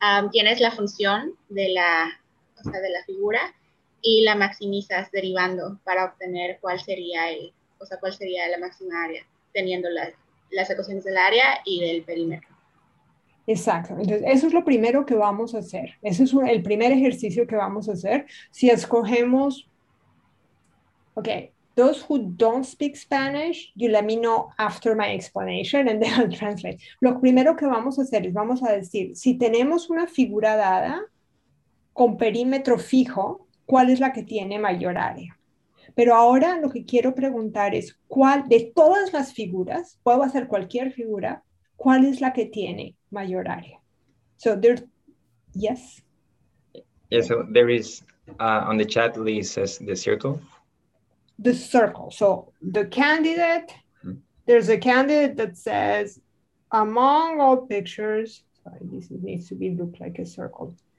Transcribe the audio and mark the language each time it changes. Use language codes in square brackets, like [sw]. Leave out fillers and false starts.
[es] Tienes la función de o sea, de la figura y la maximizas derivando para obtener cuál sería o sea, cuál sería la máxima área, teniendo las ecuaciones del área y del perímetro. Exacto. Entonces, eso es lo primero que vamos a hacer. Ese es el primer ejercicio que vamos a hacer. Si escogemos, [en] ok, those who don't speak Spanish, you let me know after my explanation and then I'll translate. [es] Lo primero que vamos a hacer es, vamos a decir, si tenemos una figura dada con perímetro fijo, ¿cuál es la que tiene mayor área? Pero ahora lo que quiero preguntar es, ¿cuál de todas las figuras, puedo hacer cualquier figura, cuál es la que tiene mayor área? [en] So there, yes. Yeah, so there is on the chat, Lee says the circle. The circle. So the candidate, there's a candidate that says among all pictures, sorry, this needs to be looked like a circle.